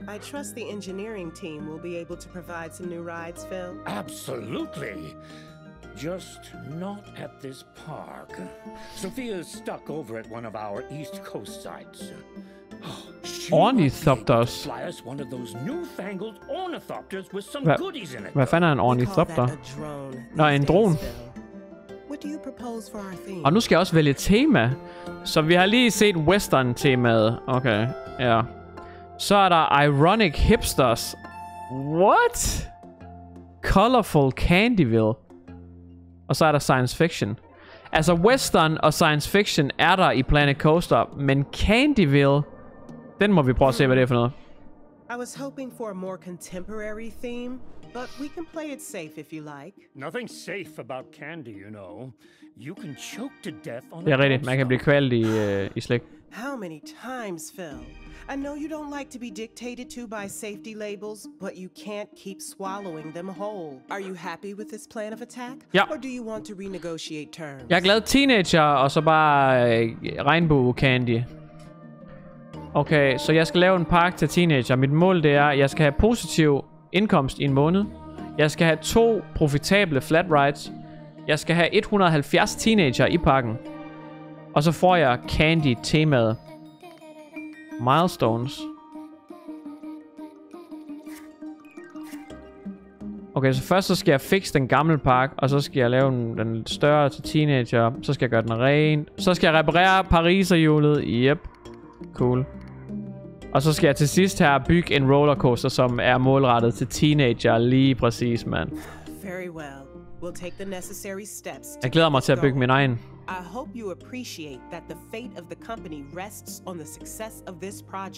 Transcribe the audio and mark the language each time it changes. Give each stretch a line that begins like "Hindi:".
English: I trust the engineering team will be able to provide some new rides, Phil. Absolutely. Just not at this park. Sophia's stuck over at one of our East Coast sites. Ornithopters. She fly us one of those newfangled ornithopters with some goodies in it.
Danish: Hvad fanden er en ornithopter? Nej, en drone.
English: What do you propose for our theme?
Danish: Og nu skal jeg også vælge tema. Så vi har lige set western-temaet. Okay, ja. Så er der ironic hipsters. What? Colorful Candyville. Og så er der science fiction. Altså western og science fiction er der i Planet Coaster, men Candyville, den må vi prøve at se, hvad det er for noget.
English: I was hoping for a more contemporary theme. but we can play it safe if you like. Nothing safe about candy, you know. You can choke to death on.
Danish: Det er rigtigt, man kan blive kvalt i slik.
English: How many times, Phil? I know you don't like to be dictated to by safety labels, but you can't keep swallowing them whole. Are you happy with this plan of attack?
Danish: Ja.
English: Or do you want to renegotiate terms?
Danish: Jeg er glad teenager, og så bare regnbue candy. Okay, så jeg skal lave en pakke til teenager. Mit mål det er, at jeg skal have positiv indkomst i en måned. Jeg skal have 2 profitable flat rides. Jeg skal have 170 teenager i pakken. Og så får jeg candy temaet. Milestones. Okay, så først så skal jeg fixe den gamle pakke, og så skal jeg lave den lidt større til teenager. Så skal jeg gøre den ren. Så skal jeg reparere pariserhjulet. Yep. Cool. Og så skal jeg til sidst her bygge en rollercoaster, som er målrettet til teenager lige præcis, mand.
English: Very well. We'll take the necessary steps.
Danish: Jeg glæder mig til at bygge min egen.
English: I hope you appreciate that the fate of the company rests on the success of this project.